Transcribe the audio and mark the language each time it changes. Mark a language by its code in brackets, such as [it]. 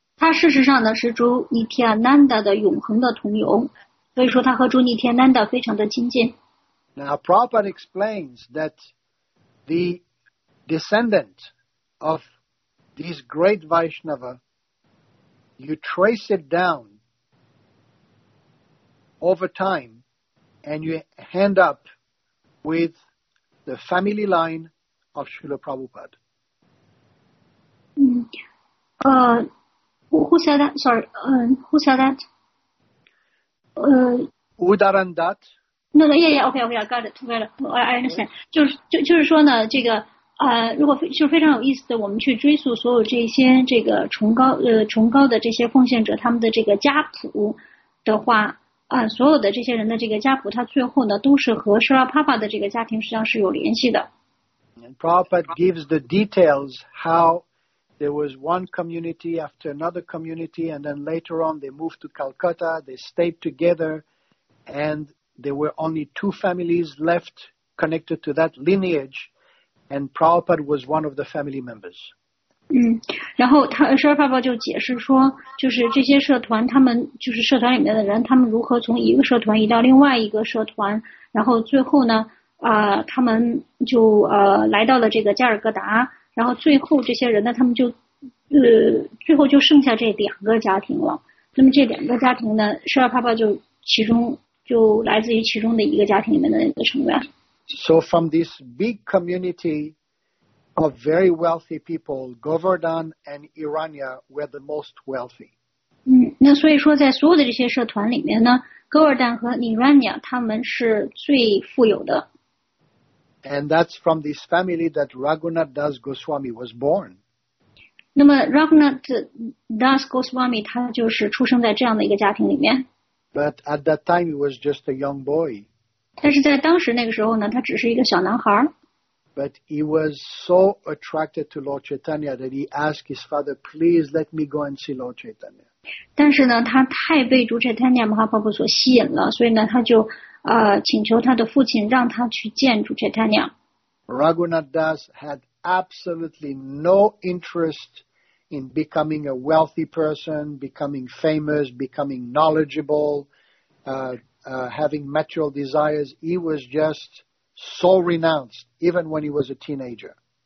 [zh] 他事实上呢是主 Nityananda 的永恒的同游，所以说他和主 Nityananda 非常的亲近。 [en] Now, Prabhupada explains that the descendant of this great Vaishnava, you trace it down over time, and you end up with the family line of Srila Prabhupada. Who said that? Sorry, who said that? Udarandat. No, yeah, okay, I got it, I understand. [zh] 就是说呢，这个如果就非常有意思的，我们去追溯所有这些这个崇高的这些奉献者他们的这个家谱的话，所有的这些人的这个家谱，他最后呢都是和舍拉帕帕的这个家庭实际上是有联系的。 [en] And Prabhupada gives the details how there was one community after another community, and then later on they moved to Calcutta, they stayed together, and there were only two families left connected to that lineage, and Prabhupada was one of the family members. [zh] 然后舒尔爸爸就解释说，就是这些社团，他们就是社团里面的人，他们如何从一个社团移到另外一个社团，然后最后呢，他们就来到了这个加尔各答，然后最后这些人呢，他们就最后就剩下这两个家庭了。那么这两个家庭呢，舒尔爸爸就其中就来自于其中的一个家庭里面的一个成员。 [en] So from this big community of very wealthy people, Govardhan and Hiranya were the most wealthy. [zh] 那所以说，在所有的这些社团里面呢，戈尔旦和尼兰尼亚他们是最富有的。 [en] And that's from this family that Raghunath Das Goswami was born. [zh] 那么，Raghunath Das Goswami 他就是出生在这样的一个家庭里面。 [en] But at that time he was just a young boy. [zh] 但是在当时那个时候呢，他只是一个小男孩。 [en] But he was so attracted to Lord Chaitanya that he asked his father, please let me go and see Lord Chaitanya. [zh] 但是呢，他太被主 Chaitanya Mahaprabhu 所吸引了，所以呢，他就请求他的父亲让他去见主 Chaitanya。 [en] Raghunath Das had absolutely no interest in becoming a wealthy person, becoming famous, becoming knowledgeable, having material desires. He was just so renounced, even when he was a teenager.